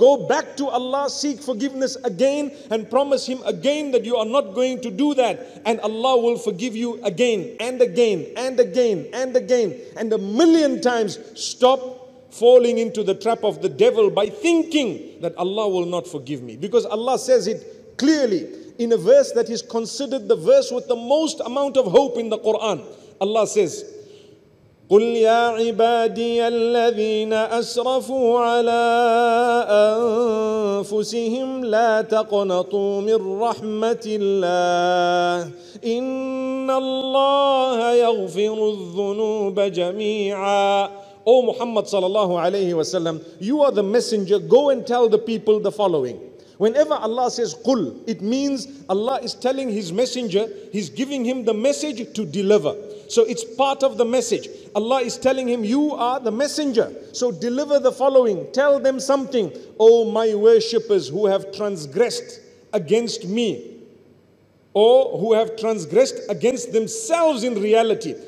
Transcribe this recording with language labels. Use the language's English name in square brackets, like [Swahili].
[English] Go back to Allah, seek forgiveness again, and promise Him again that you are not going to do that, and Allah will forgive you again and again and again and again and a million times. Stop falling into the trap of the devil by thinking that Allah will not forgive me. Because Allah says it clearly in a verse that is considered the verse with the most amount of hope in the Quran. Allah says, [Arabic] قُلْ يَا عِبَادِيَ الَّذِينَ أَسْرَفُوا عَلَىٰ أَنفُسِهِمْ لَا تَقْنَطُوا مِنْ رَحْمَةِ اللَّهِ إِنَّ اللَّهَ يَغْفِرُ الذُّنُوبَ جَمِيعًا. [English] O Muhammad sallallahu alayhi wa sallam, you are the messenger. Go and tell the people the following. Whenever Allah says qul, it means Allah is telling His messenger, He's giving him the message to deliver. So it's part of the message. Allah is telling him, you are the messenger. So deliver the following. Tell them something. O my worshippers who have transgressed against me, or who have transgressed against themselves in reality.